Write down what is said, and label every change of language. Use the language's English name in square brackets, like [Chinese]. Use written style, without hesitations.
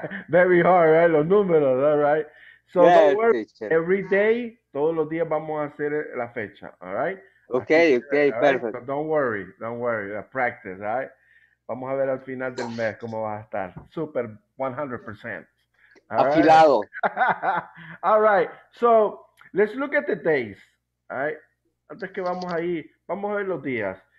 [English] Very hard, right? [Spanish] Los números, [English] all right? So yeah, don't worry, every day, [Spanish] todos los días vamos a hacer la fecha, [English] all right? Okay, perfect. Right? So don't worry, practice, all right? [Spanish] Vamos a ver al final del mes cómo va a estar. Super, 100%. Afilado. [English] Right? All right, so let's look at the days, all right? [Spanish] Antes que vamos ahí, vamos a ver los días.